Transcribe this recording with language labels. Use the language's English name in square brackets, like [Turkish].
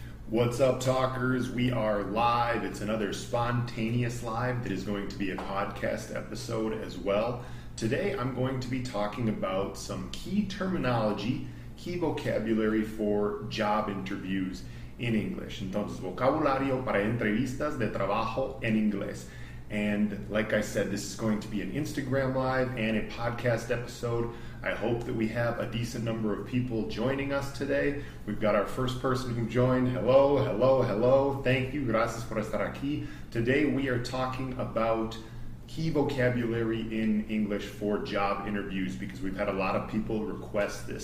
[English] What's up, talkers? We are live. It's another spontaneous live that is going to be a podcast episode as well. Today, I'm going to be talking about some key terminology, key vocabulary for job interviews in English. [Spanish] Entonces, vocabulario para entrevistas de trabajo en inglés. [English] And like I said, this is going to be an Instagram live and a podcast episode. I hope that we have a decent number of people joining us today. We've got our first person who joined. Hello, hello, hello. Thank you. [Spanish] Gracias por estar aquí. [English] Today, we are talking about key vocabulary in English for job interviews, because we've had a lot of people request this.